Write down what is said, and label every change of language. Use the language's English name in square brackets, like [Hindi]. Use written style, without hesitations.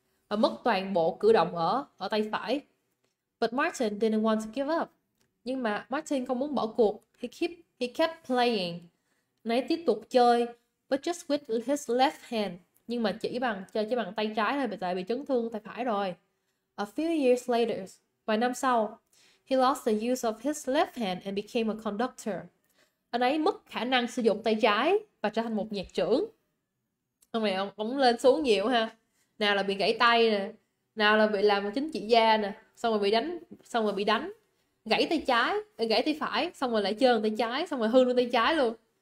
[Vietnamese] Và mất toàn bộ cử động ở tay phải. [English] But Martin didn't want to give up. [Vietnamese] Nhưng mà Martin không muốn bỏ cuộc. [English] He kept playing. [Vietnamese] Anh ấy tiếp tục chơi, [English] but just with his left hand. [Vietnamese] Nhưng mà chỉ bằng tay trái thôi, tại vì chấn thương tay phải rồi. [English] A few years later, [Vietnamese] vài năm sau, [English] he lost the use of his left hand and became a conductor. [Vietnamese] Anh ấy mất khả năng sử dụng tay trái và trở thành một nhạc trưởng. Ông này ông lên xuống nhiều ha. Nào là bị gãy tay nè, nào là bị làm một chính trị gia nè, xong rồi bị đánh, gãy tay phải, xong rồi lại chơi bằng tay trái, xong rồi hư luôn tay trái luôn.